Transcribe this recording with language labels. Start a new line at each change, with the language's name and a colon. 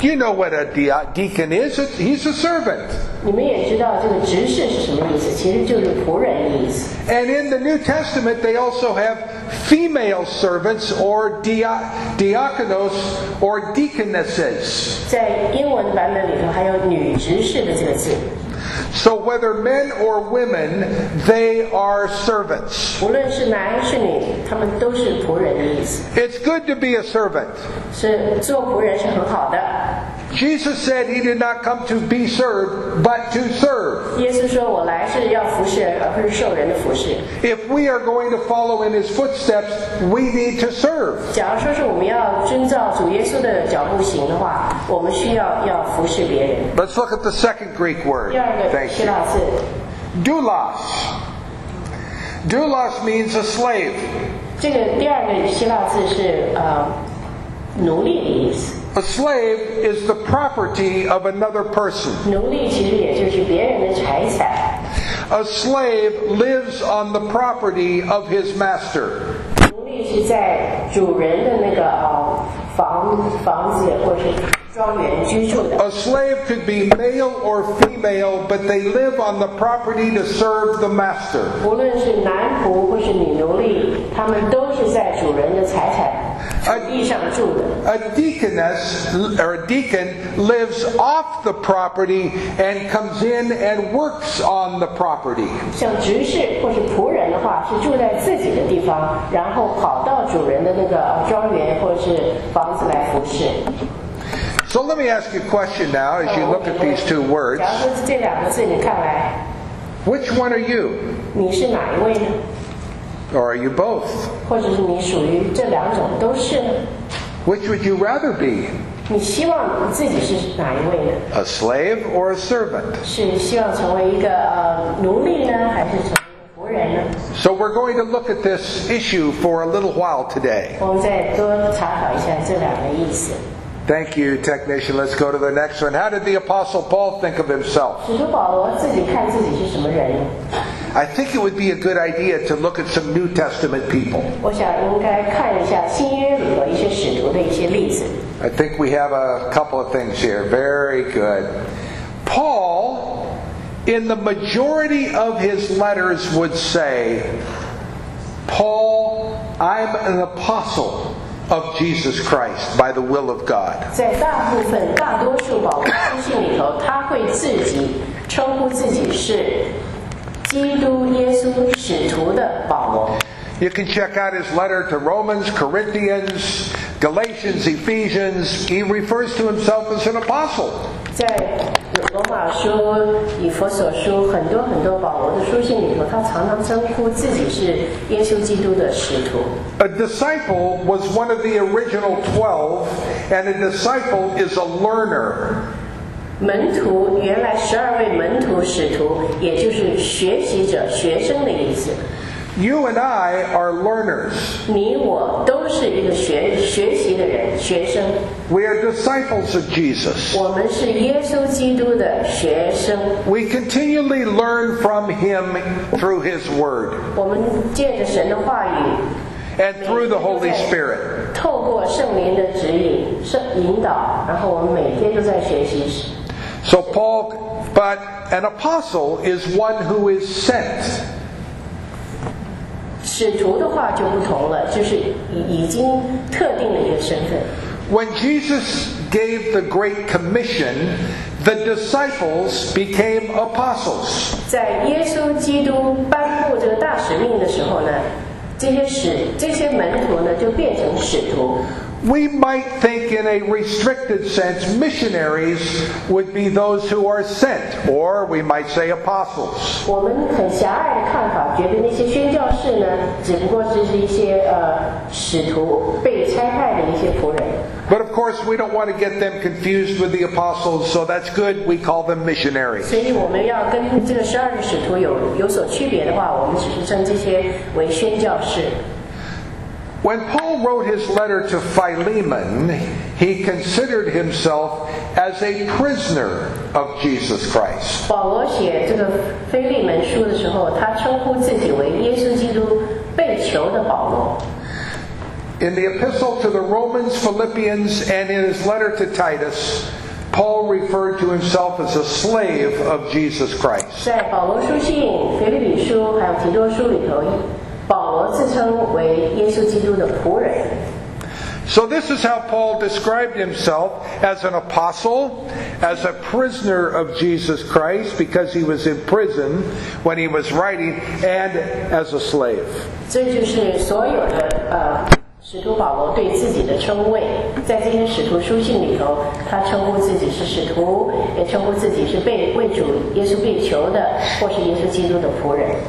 English: You know what a deacon is? He's a servant.
Chinese: 你们也知道这个执事是什么意思？其实就是仆人的意思。
English: And in the New Testament, they also have female servants or diakonos or deaconesses.
Chinese: 在英文版本里头还有女执事的这个字。
English: So whether men or women, they are servants.
Chinese: 无论是男还是女，他们都是仆人的意思。
English: It's good to be a servant.
Chinese: 是做仆人是很好的。
English: Jesus said he did not come to be served, but to serve.
Chinese: 耶稣说我来是要服侍，而不是受人的服侍。
English: If we are going to follow in his footsteps, we need to serve.
Chinese: 假如说是我们要遵照主耶稣的脚步行的话，我们需要服侍别人。
English: Let's look at the second Greek word.
Chinese: 第二个希腊字。
English: Thank you. Doulos. Doulos means a slave.
Chinese: 这个第二个希腊字是奴隶的意思。
English: A slave is the property of another person.
Chinese: 奴隶其实也就是别人的财产。
English: A slave lives on the property of his master.
Chinese: 奴隶是在主人的那个房子或是庄园居住的。
English: A slave could be male or female, but they live on the property to serve the master.
Chinese: 无论是男仆或是女奴隶，他们都是在主人的财产。
English: A deaconess or a deacon lives off the property and comes in and works on the property.
Chinese: 像执事或是仆人的话，是住在自己的地方，然后跑到主人的那个庄园或是房子来服侍。
English: So let me ask you a question now, as you look at these two words.
Chinese: 假如说这两个字，你看来。
English: Which one are you?
Chinese: 你是哪一位呢？
English: Or are you both?
Chinese: 或者是你属于这两种都是呢？
English: Which would you rather be?
Chinese: 你希望自己是哪一位呢？
English: A slave or a servant?
Chinese: 是希望成为一个奴隶呢，还是成为仆人呢？
English: So we're going to look at this issue for a little while today.
Chinese: 我们再多探讨一下这两个意思。
English: Thank you, technician. Let's go to the next one. How did the Apostle Paul think of himself?
Chinese: 使徒保罗自己看自己是什么人？
English: I think it would be a good idea to look at some New Testament people.
Chinese: 我想应该看一下新约里的一些使徒的一些例子。
English: I think we have a couple of things here. Very good. Paul, in the majority of his letters, would say, Paul, I'm an apostle of Jesus Christ by the will of God.
Chinese: 在大多数保罗书信里头，他会自己称呼自己是基督耶稣使徒的保罗。
English: You can check out his letter to Romans, Corinthians, Galatians, Ephesians. He refers to himself as an apostle.
Chinese: 在罗马书、以弗所书很多很多保罗的书信里头，他常常称呼自己是耶稣基督的使徒。
English: A disciple was one of the original 12, and a disciple is a learner.
Chinese: 门徒原来十二位门徒使徒，也就是学习者、学生的意思。
English: You and I are learners.
Chinese: 你我都是一个学习的人，学生。
English: We are disciples of Jesus.
Chinese: 我们是耶稣基督的学生。
English: We continually learn from him through his word.
Chinese: 我们借着神的话语。
English: And through the Holy Spirit.
Chinese: 透过圣灵的指引、引导，然后我们每天都在学习。
English: So Paul, but an apostle is one who is sent.
Chinese: 使徒的话就不同了，就是已经特定了一个身份。
English: When Jesus gave the Great Commission, the disciples became apostles.
Chinese: 在耶稣基督颁布这个大使命的时候呢，这些门徒呢就变成使徒。
English: We might think in a restricted sense, missionaries would be those who are sent, or we might say apostles.
Chinese: 我们很狭隘的看法，觉得那些宣教士呢，只不过就是一些使徒被差派的一些仆人。
English: But of course, we don't want to get them confused with the apostles, so that's good. We call them missionaries.
Chinese: 所以我们要跟这个十二个使徒有所区别的话，我们只是称这些为宣教士。
English: When Paul wrote his letter to Philemon, he considered himself as a prisoner of Jesus Christ.
Chinese: 保罗写这个腓利门书的时候，他称呼自己为耶稣基督被囚的保罗。
English: In the epistle to the Romans, Philippians, and in his letter to Titus, Paul referred to himself as a slave of Jesus Christ.
Chinese: 在保罗书信、腓立比书还有提多书里头，保罗自称为耶稣基督的仆人。
English: So this is how Paul described himself as an apostle, as a prisoner of Jesus Christ, because he was in prison when he was writing, and as a slave.
Chinese: 这就是所有的使徒保罗对自己的称谓，在今天使徒书信里头，他称呼自己是使徒，也称呼自己是被为主耶稣被囚的，或是耶稣基督的仆人。